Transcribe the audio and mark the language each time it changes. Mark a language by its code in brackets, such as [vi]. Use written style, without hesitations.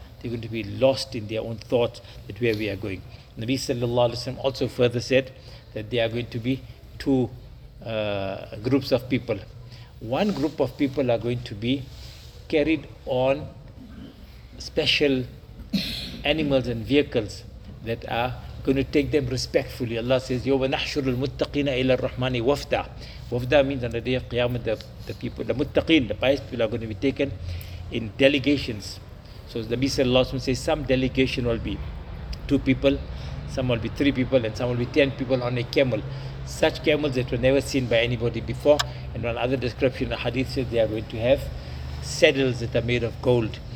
[en] They're going to be lost in their own thoughts that where we are going. Nabi Sallallahu Alaihi Wasallam also further said that there are going to be two groups of people. One group of people are going to be carried on special animals and vehicles that are going to take them respectfully. Allah says, [ar] يَوْمَ نَحْشُرُ الْمُتَّقِينَ إِلَى الرَّحْمَنِ وَفْدًا. [en] Wafda means on the day of Qiyamah, the people, the muttaqeen, the pious people are going to be taken in delegations. So the Nabi Sallallahu Alaihi Wasallam says some delegation will be two people, some will be three people, and some will be 10 people on a camel. Such camels that were never seen by anybody before. And one other description, the hadith says they are going to have saddles that are made of gold.